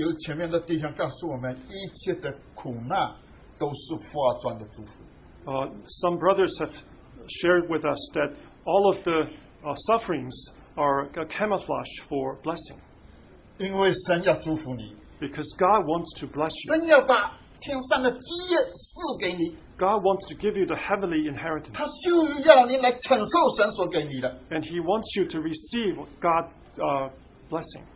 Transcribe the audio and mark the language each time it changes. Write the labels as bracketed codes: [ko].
[zh] 有前面的弟兄告诉我们，一切的苦难都是化妆的祝福。 [en] Some brothers have shared with us that all of the sufferings are a camouflage for blessing. [zh] 因为神要祝福你, [en] because God wants to bless you. [zh] 神要把天上的基业赐给你, [en] God wants to give you the heavenly inheritance. [zh] 他就要你来承受神所给你的, [en] and He wants you to receive God's blessing.